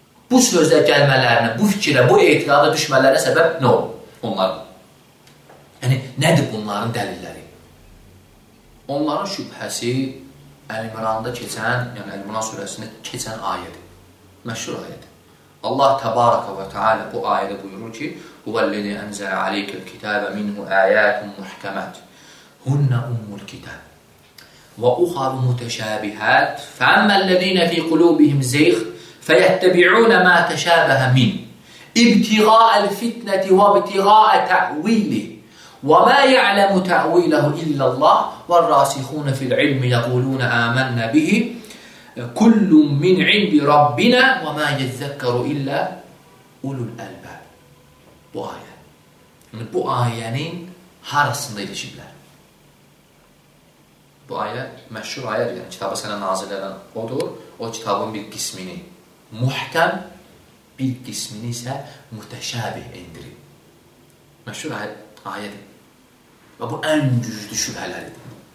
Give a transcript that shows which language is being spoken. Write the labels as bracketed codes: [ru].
[az] Bu sözlə gəlmələrinə, bu fikirə, bu ehtiqada düşmələrinə səbəb nə olub onlar? Yəni, nədir bunların dəlilləri? Onların şübhəsi Əl-İmranda keçən, yəni Əl-İmran surəsində keçən ayədir. Məşhur ayədir. Allah təbarəkə və təalə bu ayədə buyurur ki, [ar] وَالَّذِي أَنْزَلَ عَلَيْكَ الْكِتَابَ مِنْهُ آيَاتٌ مُحْكَمَاتٌ هُنَّ أُمُّ الْكِتَابِ وَأُخَرُ مُتَشَابِهَاتٌ فَأَمَّا الَّذِينَ فِي قُلُوبِهِمْ زَيْغٌ فَيَتَّبِعُونَ مَا تَشَابَهَ مِنْهُ ابْتِغَاءَ الْفِتْنَةِ وَابْتِغَاءَ تَأْوِيلِهِ وَمَا يَعْلَمُ تَأْوِيلَهُ إِلَّا اللَّهُ وَالرَّاسِخُونَ فِي الْعِلْمِ يَقُولُونَ آمَنَّا بِهِ كُلٌّ مِنْ عِنْدِ رَبِّنَا وَمَا يَذَّكَّرُ إِلَّا أُولُو الْأَلْبَابِ [az] Bu ayə. Yəni, bu ayənin harasında ilişiblər. Bu ayə məşhur ayədir. Yəni, kitabı sənə nazil edən odur. O kitabın bir qismini muhkəm, bir qismini isə mütəşəbih indirir. Məşhur ayədir. Və bu ən güclü şübhələridir.